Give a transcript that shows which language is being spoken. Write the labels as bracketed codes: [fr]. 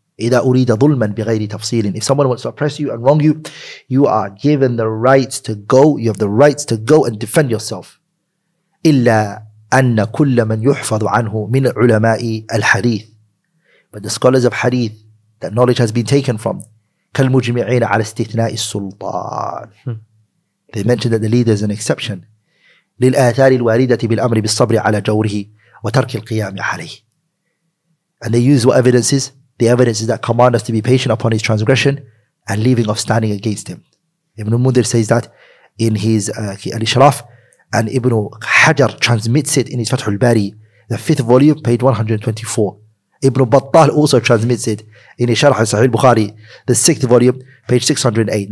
[ar] إِذَا أُرِيدَ ظُلْمًا بِغَيْرِ تَفْصِيلٍ, [en] if someone wants to oppress you and wrong you, you are given the rights to go, you have the rights to go and defend yourself. [ar] إلا أن كل من يحفظ عنه من علماء الحديث, [en] but the scholars of hadith, that knowledge has been taken from, [ar] كالمجمعين على استثناء السلطان. [en] They mentioned that the leader is an exception. [ar] للآثار الواردة بالأمر بالصبر على جوره وترك القيام عليه. [en] And they use what evidences? The evidences that command us to be patient upon his transgression and leaving off standing against him. Ibn al-Mundhir says that in his al-Ishraf. And Ibn Hajar transmits it in his Fath al-Bari, the 5th volume, page 124. Ibn Battal also transmits it in his Sharh al-Sahih al-Bukhari, the 6th volume, page 608.